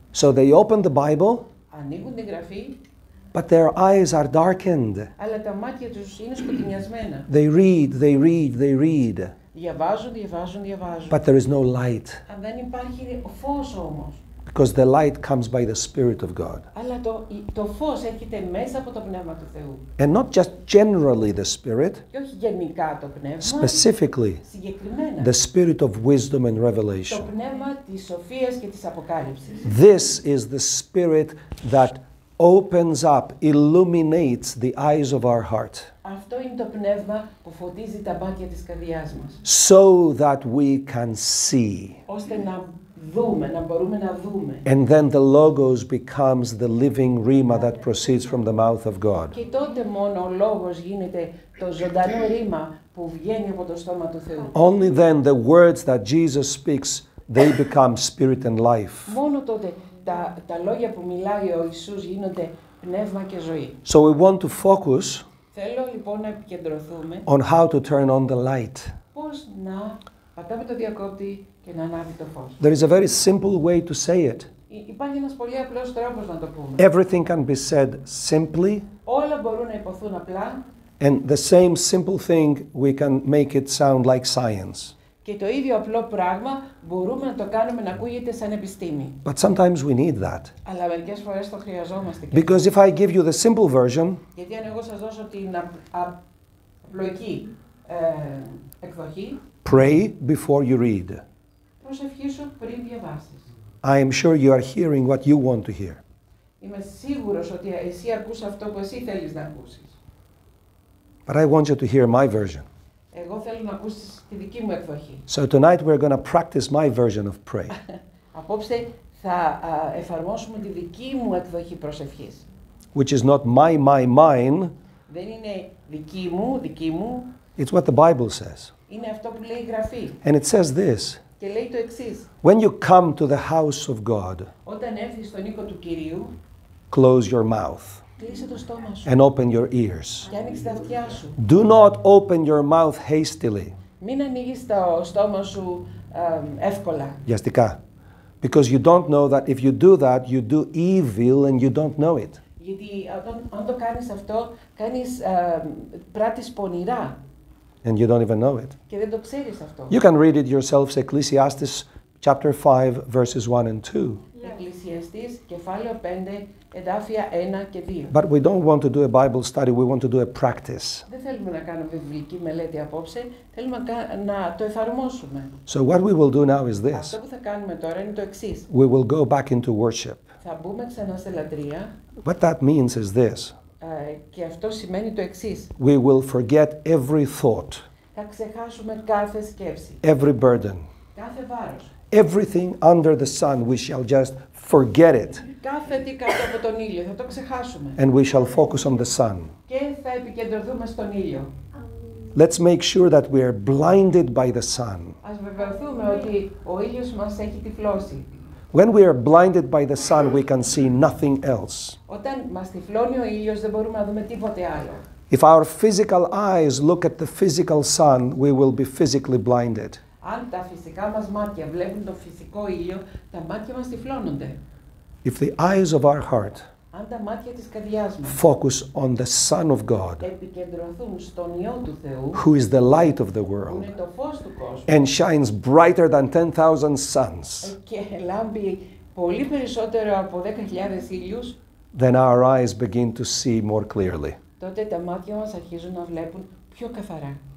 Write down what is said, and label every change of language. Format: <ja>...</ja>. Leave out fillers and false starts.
<en>So they open the Bible.</en> <el>Ανοίγουν τη Γραφή.</el> <en>But their eyes are darkened.</en> <el>Αλλά τα μάτια τους είναι σκοτεινιασμένα.</el> <en>They read, they read, they read.</en> <el>Διαβάζουν, διαβάζουν, διαβάζουν.</el> <en>But there is no light.</en> <el>Αλλά δεν υπάρχει φως όμως.</el> <en>Because the light comes by the Spirit of God.</en> <el>Αλλά το φως έρχεται μέσα από το Πνεύμα του Θεού.</el> <en>And not just generally the Spirit.</en> <el>Και όχι γενικά το Πνεύμα.</el> <en>Specifically.</en> <el>Συγκεκριμένα.</el> <en>The Spirit of wisdom and revelation.</en> <el>Το Πνεύμα της σοφίας και της αποκάλυψης.</el> <en>This is the Spirit that opens up, illuminates the eyes of our heart.</en> <el>Αυτό είναι το πνεύμα που φωτίζει τα μάτια της καρδιάς μας.</el> <en>So that we can see.</en> <el>Ώστε να δούμε, να μπορούμε να δούμε.</el> <en>And then the logos becomes the living rhema that proceeds from the mouth of God.</en> <el>Και τότε μόνο ο λόγος γίνεται το ζωντανό ρήμα που βγαίνει από το στόμα του Θεού.</el> <en>Only then the words that Jesus speaks, they become spirit and life.</en> <el>Μόνο τότε τα λόγια που μιλάει ο Ιησούς γίνονται πνεύμα και ζωή.</el> <en>So we want to focus.</en> <el>Θέλω λοιπόν να επικεντρωθούμε.</el> <en>On how to turn on the light.</en> <el>Πώς να πατάμε το διακόπτη και να ανάβει το φως.</el> <en>There is a very simple way to say it.</en> <el>Υπάρχει ένας πολύ απλός τρόπος να το πούμε.</el> <en>Everything can be said simply.</en> <el>Όλα μπορούν να υποθούν απλά.</el> <en>And the same simple thing we can make it sound like science.</en> <el>Και το ίδιο απλό πράγμα μπορούμε να το κάνουμε να ακούγεται σαν επιστήμη.</el> <en>But sometimes we need that.</en> <el>Αλλά μερικές φορές το χρειαζόμαστε.</el> <en>Because if I give you the simple version.</en> <el>Γιατί αν εγώ σας δώσω την απλοϊκή εκδοχή.</el> <en>Pray before you read.</en> <el>Προσευχήσου πριν διαβάσεις.</el> <en>I am sure you are hearing what you want to hear.</en> <el>Είμαι σίγουρος ότι εσύ ακούς αυτό που εσύ θέλεις να ακούσεις.</el> <en>But I want you to hear my version.</en> <el>Εγώ θέλω να ακούσεις τη δική μου εκδοχή.</el> <en>So tonight we're going to practice my version of prayer.</en> <el>Απόψε θα εφαρμόσουμε τη δική μου εκδοχή προσευχής.</el> <en>Which is not mine.</en> <el>Δεν είναι δική μου.</el> <en>It's what the Bible says.</en> <el>Είναι αυτό που λέει η Γραφή.</el> <en>And it says this.</en> <el>Και λέει το εξής.</el> <en>When you come to the house of God,</en> <el>όταν έρθεις στον οίκο του Κυρίου,</el> <en>close your mouth.</en> <el>Κλείσε το στόμα σου.</el> <en>And open your ears.</en> <el>Και άνοιξε τα αυτιά σου.</el> <en>Do not open your mouth hastily.</en> <el>Μην ανοίγεις το στόμα σου εύκολα. Βιαστικά.</el> <en>Because you don't know that if you do that, you do evil and you don't know it.</en> <el>Γιατί αν το κάνεις αυτό, κάνεις πράττεις πονηρά.</el> <en>And you don't even know it.</en> <el>Και δεν το ξέρεις αυτό.</el> <en>You can read it yourselves, Ecclesiastes chapter 5, verses 1 and 2.</en> <el>Εκκλησιαστής, κεφάλαιο 5, εδάφια 1 και 2.</el> <en>But we don't want to do a Bible study, we want to do a practice.</en> <el>Δεν θέλουμε να κάνουμε βιβλική μελέτη απόψε, θέλουμε να το εφαρμόσουμε.</el> <en>So what we will do now is this.</en> <el>Αυτό που θα κάνουμε τώρα είναι το εξής.</el> <en>We will go back into worship.</en> <el>Θα μπούμε ξανά σε λατρεία.</el> <en>What that means is this.</en> <el>Και αυτό σημαίνει το εξής.</el> <en>We will forget every thought.</en> <el>Θα ξεχάσουμε κάθε σκέψη.</el> <en>Every burden.</en> <el>Κάθε βάρος.</el> <en>Everything under the sun, we shall just forget it.</en> <el>Κάθε τι κάτω από τον ήλιο, θα το ξεχάσουμε.</el> <en>And we shall focus on the sun.</en> <el>Και θα επικεντρωθούμε στον ήλιο.</el> <en>Let's make sure that we are blinded by the sun.</en> <el>Ας βεβαιωθούμε ότι ο ήλιος μας έχει τυφλώσει.</el> <en>When we are blinded by the sun, we can see nothing else.</en> <el>Όταν μας τυφλώνει ο ήλιος, δεν μπορούμε να δούμε τίποτε άλλο.</el> <en>If our physical eyes look at the physical sun, we will be physically blinded.</en> <el>Αν τα φυσικά μας μάτια βλέπουν το φυσικό ήλιο, τα μάτια μας τυφλώνονται.</el> <en>If the eyes of our heart</en> <el>αν τα μάτια της καρδιάς μας</el> <en>focus on the Son of God,</en> <el>επικεντρωθούν στον Υιό του Θεού,</el> <en>who is the light of the world,</en> <el>που είναι το φως του κόσμου,</el> <en>and shines brighter than 10,000 suns,</en> <el>και λάμπει πολύ περισσότερο από 10,000 ήλιους,</el> <en>then our eyes begin to see more clearly.</en> <el>Τότε τα μάτια μας αρχίζουν να βλέπουν πιο καθαρά.</el>